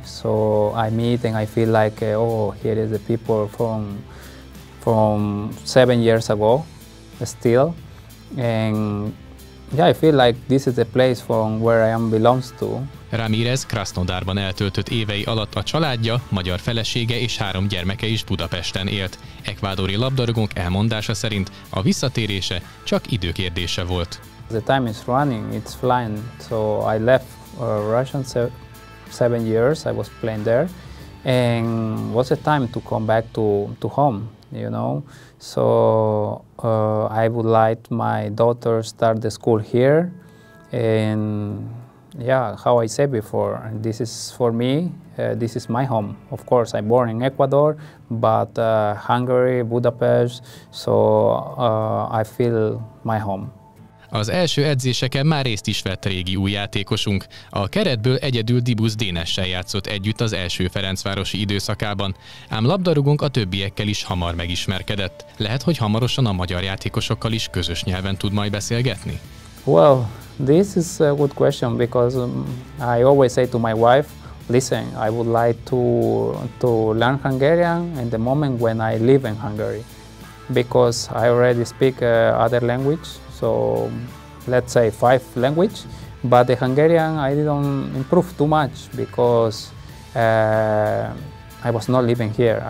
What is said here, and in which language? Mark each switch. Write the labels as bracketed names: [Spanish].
[English] So I meet and I feel like here is the people from 7 years ago still. And yeah, I feel like this is the place from where I am belongs to. [Hungarian] Ramírez Krasznodárban eltöltött évei alatt a családja, magyar felesége és 3 gyermeke is Budapesten élt. Ekvádori labdarúgónk elmondása szerint a visszatérése csak időkérdése volt. [English] The time is running, it's flying. So I left Russian 7 years, I was playing there. And was the time to come back to home, you know. So I would like my daughter start the school here. And yeah, how I said before, this is for me, this is my home. Of course, I'm born in Ecuador, but Hungary, Budapest, so I feel my home. [Hungarian] Az első edzéseken már részt is vett régi új játékosunk. A keretből egyedül Dibusz Dénessel játszott együtt az első ferencvárosi időszakában, ám labdarúgunk a többiekkel is hamar megismerkedett. Lehet, hogy hamarosan a magyar játékosokkal is közös nyelven tud majd beszélgetni? [English] Well, this is a good question because I always say to my wife, listen, I would like to learn Hungarian in the moment when I live in Hungary, because I already speak other language, so let's say 5 language, but the Hungarian I didn't improve too much because I was not living here.